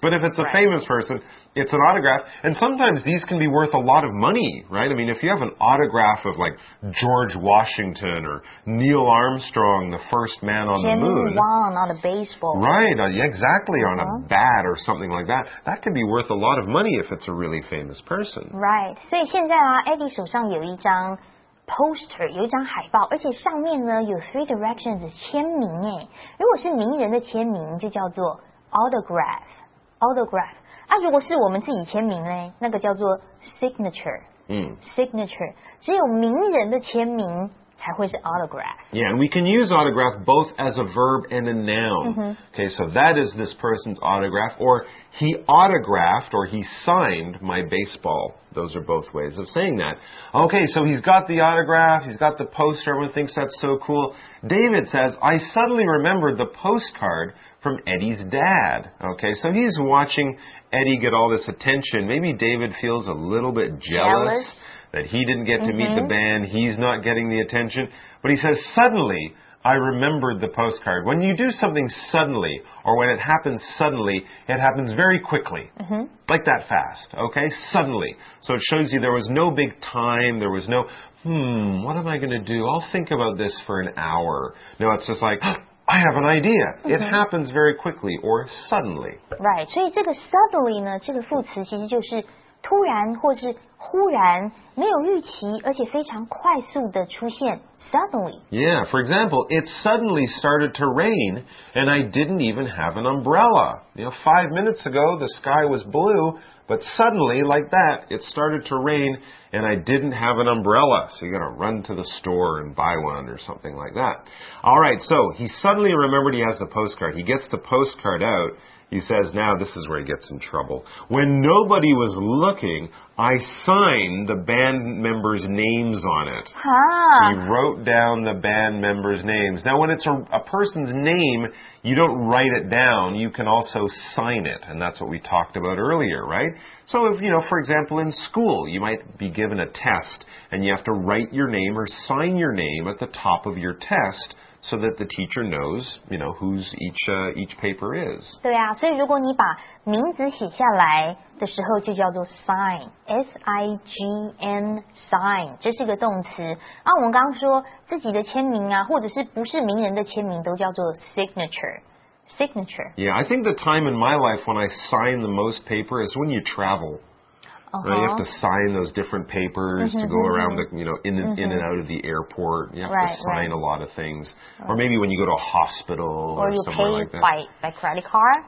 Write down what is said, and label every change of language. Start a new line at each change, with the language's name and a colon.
English: But if it's a famous person, it's an autograph. And sometimes these can be worth a lot of money, right? I mean, if you have an autograph of, like, George Washington or Neil Armstrong, the first man on the moon. Jim Wong on a baseball. Right, exactly, on a bat or something like that. That can be worth a lot of money if it's a really famous person. Right.
Chinese: So now, Eddie 手上有一张poster, 有一张海报，而且上面呢有 Three Directions 签名耶。如果是名人的签名就叫做 autograph, autograph。啊，如果是我们自己签名呢，那个叫做 signature, signature。只有名人的签名才会是 autograph。
English: Yeah, and we can use autograph both as a verb and a noun. Okay, so that is this person's autograph, or he autographed or he signed my baseball. Those are both ways of saying that. Okay, so he's got the autograph, he's got the poster, everyone thinks that's so cool. David says, I suddenly remembered the postcard from Eddie's dad. Okay, so he's watching Eddie get all this attention. Maybe David feels a little bit jealous. That he didn't get to meet the band, he's not getting the attention. But he says, suddenly, I remembered the postcard. When you do something suddenly, or when it happens suddenly, it happens very quickly. Mm-hmm. Like that fast, okay? Suddenly. So it shows you there was no big time, there was no, what am I going to do? I'll think about this for an hour. No, it's just like, I have an idea. It happens very quickly, or suddenly.
Chinese: Right, 所以这个 suddenly 呢，这个副词其实就是突然或是忽然没有预期而且非常快速的出现 suddenly.
English: Yeah, for example, it suddenly started to rain and I didn't even have an umbrella. You know, 5 minutes ago the sky was blue, but suddenly like that it started to rain and I didn't have an umbrella. So you gotta run to the store and buy one or something like that. Alright, so he suddenly remembered he has the postcard. He gets the postcard out. He says, now this is where he gets in trouble. When nobody was looking, I signed the band members' names on it. Huh. He wrote down the band members' names. Now, when it's a person's name, you don't write it down. You can also sign it. And that's what we talked about earlier, right? So, if you know, for example, in school, you might be given a test, and you have to write your name or sign your name at the top of your test so that the teacher knows, you know, who's each paper is.
Chinese: 对啊，所以如果你把名字写下来的时候就叫做 sign, S-I-G-N, sign, 这是一个动词。啊，我们刚刚说自己的签名啊，或者是不是名人的签名都叫做 signature, signature.
English: Yeah, I think the time in my life when I sign the most paper is when you travel. Right, you have to sign those different papers to go around the, you know, in and out of the airport. You have to sign a lot of things. Right. Or maybe when you go to a hospital or somewhere like that. Or you pay by credit card.